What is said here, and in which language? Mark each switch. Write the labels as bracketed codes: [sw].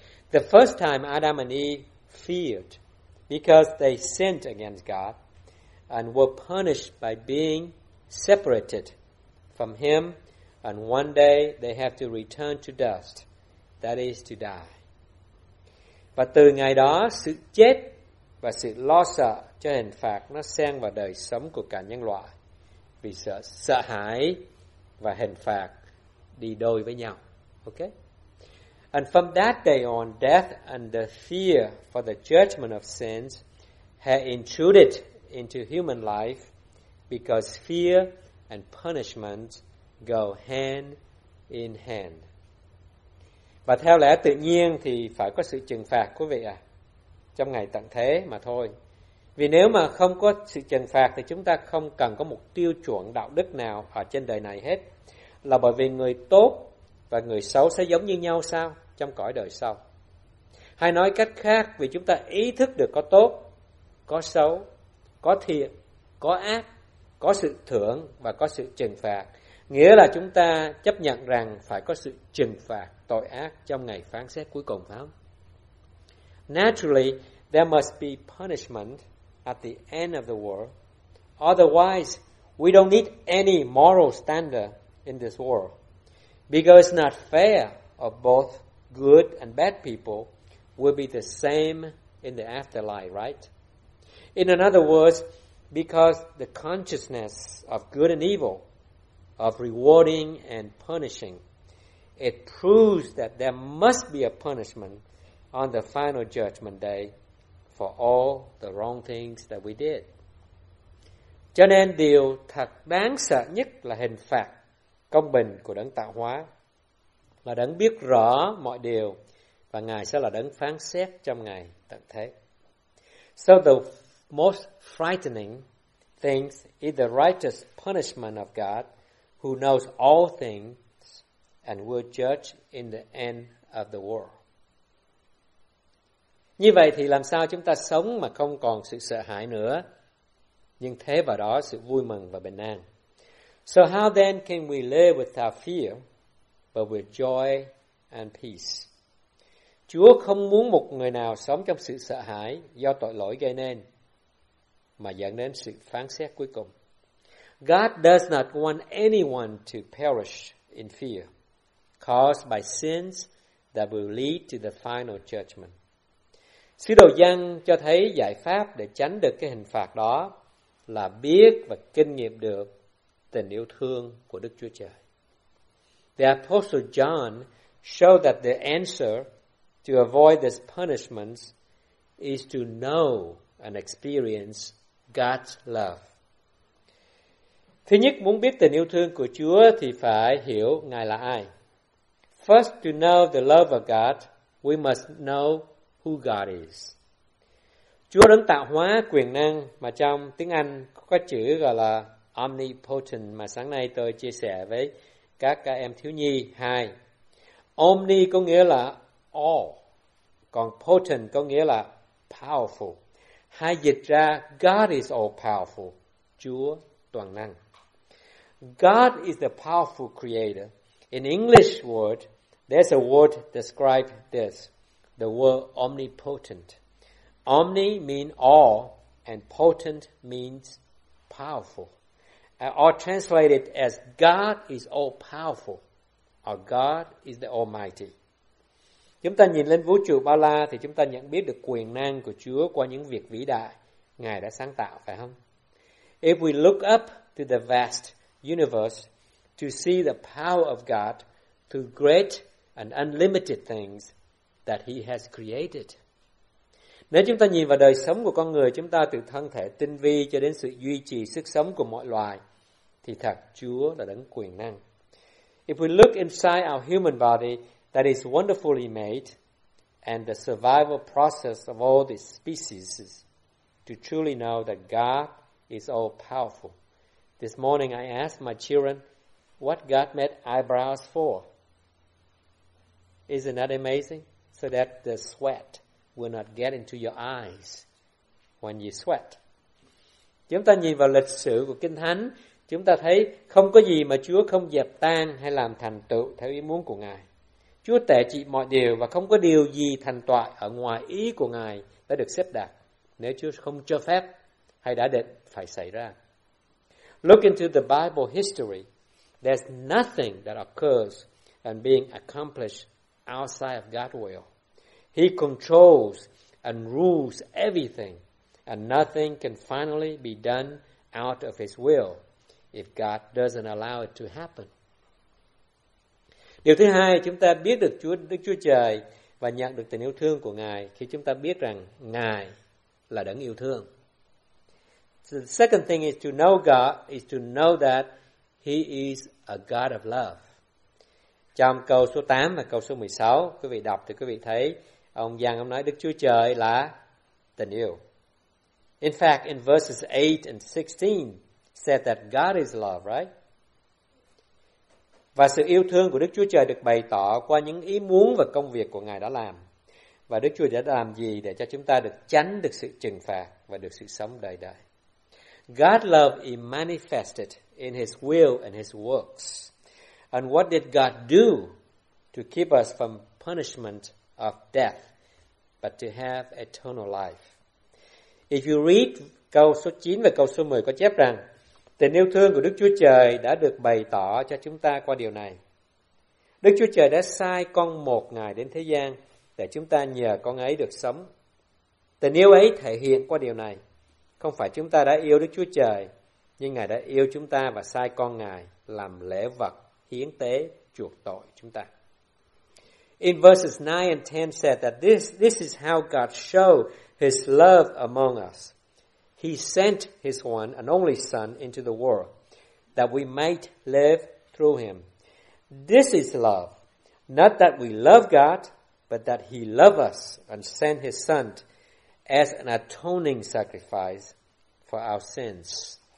[en] The first time Adam and Eve feared because they sinned against God and were punished by being separated from Him, and one day they have to return to dust, that is to die. [vi] Và từ ngày đó, sự chết và sự lo sợ cho hình phạt nó xen vào đời sống của cả nhân loại vì sợ hãi và hình phạt đi đôi với nhau. [en] Okay? And from that day on, death and the fear for the judgment of sins had intruded into human life because fear and punishment go hand in hand. [vi] Và theo lẽ tự nhiên thì phải có sự trừng phạt, quý vị ạ, trong ngày tận thế mà thôi. Vì nếu mà không có sự trừng phạt thì chúng ta không cần có một tiêu chuẩn đạo đức nào ở trên đời này hết. Là bởi vì người tốt và người xấu sẽ giống như nhau sao trong cõi đời sau? Hay nói cách khác, vì chúng ta ý thức được có tốt, có xấu, có thiện, có ác, có sự thưởng và có sự trừng phạt, nghĩa là chúng ta chấp nhận rằng phải có sự trừng phạt tội ác trong ngày phán xét cuối cùng, phải không? [en] Naturally, there must be punishment at the end of the world. Otherwise, we don't need any moral standard in this world, because it's not fair of both good and bad people will be the same in the afterlife, right? In another words, because the consciousness of good and evil, of rewarding and punishing, it proves that there must be a punishment on the final judgment day for all the wrong things that we did. [vi] Cho nên điều thật đáng sợ nhất là hình phạt công bình của đấng tạo hóa, là đấng biết rõ mọi điều và Ngài sẽ là đấng phán xét trong ngày tận thế. [en] So the most frightening things is the righteous punishment of God, who knows all things and will judge in the end of the world. [vi] Như vậy thì làm sao chúng ta sống mà không còn sự sợ hãi nữa, nhưng thế vào đó sự vui mừng và bình an? [en] So how then can we live without fear, but with joy and peace? [vi] Chúa không muốn một người nào sống trong sự sợ hãi do tội lỗi gây nên, mà dẫn đến sự phán xét cuối cùng. [en] God does not want anyone to perish in fear, caused by sins that will lead to the final judgment. [vi] Sứ đồ Giăng cho thấy giải pháp để tránh được cái hình phạt đó là biết và kinh nghiệm được tình yêu thương của Đức Chúa Trời. [en] The Apostle John showed that the answer to avoid this punishment is to know and experience God's love. [vi] Thứ nhất, muốn biết tình yêu thương của Chúa thì phải hiểu Ngài là ai. [en] First, to know the love of God, we must know who God is. [vi] Chúa đấng tạo hóa quyền năng mà trong tiếng Anh có chữ gọi là omnipotent mà sáng nay tôi chia sẻ với các em thiếu nhi hai. Omni có nghĩa là all, còn potent có nghĩa là powerful. Hai dịch ra [en] God is all powerful, [vi] Chúa toàn năng. [en] God is the powerful creator. In English word, there's a word describe this, the word omnipotent. Omni means all, and potent means powerful. Or translated as God is all-powerful, or God is the Almighty. [vi] Chúng ta nhìn lên vũ trụ bao la thì chúng ta nhận biết được quyền năng của Chúa qua những việc vĩ đại Ngài đã sáng tạo, phải không? [en] If we look up to the vast universe to see the power of God through great and unlimited things that He has created. [vi] Nếu chúng ta nhìn vào đời sống của con người chúng ta từ thân thể tinh vi cho đến sự duy trì sức sống của mọi loài, thì thật Chúa là đấng quyền năng. [en] If we look inside our human body that is wonderfully made and the survival process of all the species to truly know that God is all powerful. This morning I asked my children what God made eyebrows for. Isn't that amazing? So that the sweat will not get into your eyes when you sweat. [vi] Chúng ta nhìn vào lịch sử của Kinh Thánh, chúng ta thấy không có gì mà Chúa không dẹp tan hay làm thành tựu theo ý muốn của Ngài. Chúa tể trị mọi điều và không có điều gì thành toại ở ngoài ý của Ngài đã được xếp đặt nếu Chúa không cho phép hay đã định phải xảy ra. [en] Look into the Bible history. There's nothing that occurs and being accomplished outside of God's will. He controls and rules everything, and nothing can finally be done out of His will if God doesn't allow it to happen. [vi] Điều thứ hai, chúng ta biết được Chúa, Đức Chúa Trời và nhận được tình yêu thương của Ngài khi chúng ta biết rằng Ngài là đấng yêu thương. [en] So the second thing is to know God is to know that He is a God of love. [vi] Trong câu số 8 và câu số 16, quý vị đọc thì quý vị thấy ông Giang ông nói Đức Chúa Trời là tình yêu. [en] In fact, in verses 8 and 16, said that God is love, right? [vi] Và sự yêu thương của Đức Chúa Trời được bày tỏ qua những ý muốn và công việc của Ngài đã làm. Và Đức Chúa đã làm gì để cho chúng ta được tránh được sự trừng phạt và được sự sống đời đời. [en] God's love is manifested in His will and His works. And what did God do to keep us from punishment of death, but to have eternal life? If you read [vi] câu số 9 và câu số 10 có chép rằng tình yêu thương của Đức Chúa Trời đã được bày tỏ cho chúng ta qua điều này. Đức Chúa Trời đã sai con một Ngài đến thế gian để chúng ta nhờ con ấy được sống. Tình yêu ấy thể hiện qua điều này. Không phải chúng ta đã yêu Đức Chúa Trời, nhưng Ngài đã yêu chúng ta và sai con Ngài làm lễ vật hiến tế chuộc tội chúng ta. [en] In verses 9 and 10 said that this is how God showed His love among us. He sent His one and only Son into the world that we might live through Him. This is love. Not that we love God, but that He loved us and sent His Son as an atoning sacrifice for our sins.